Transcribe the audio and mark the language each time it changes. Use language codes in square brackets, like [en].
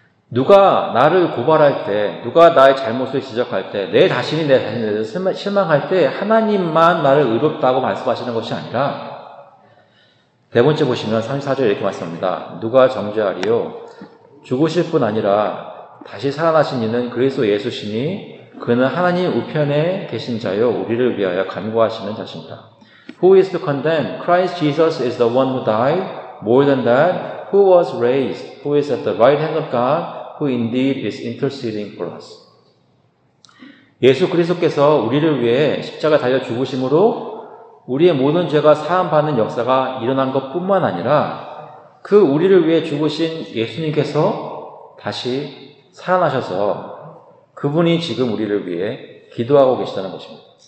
[ko] 누가 나를 고발할 때, 누가 나의 잘못을 지적할 때, 내 자신이 내 자신에 대해서 실망할 때 하나님만 나를 의롭다고 말씀하시는 것이 아니라 네 번째 보시면 34절 이렇게 말씀합니다. 누가 정죄하리요? 죽으실 뿐 아니라 다시 살아나신 이는 그리스도 예수시니 그는 하나님 우편에 계신 자요 우리를 위하여 간구하시는 자십니다. [en] Who is to condemn? Christ Jesus is the one who died. More than that, who was raised, who is at the right hand of God, who indeed is interceding for us. [ko] 예수 그리스도께서 우리를 위해 십자가 달려 죽으심으로 우리의 모든 죄가 사함받는 역사가 일어난 것뿐만 아니라 그 우리를 위해 죽으신 예수님께서 다시 살아나셔서 그분이 지금 우리를 위해 기도하고 계시다는 것입니다.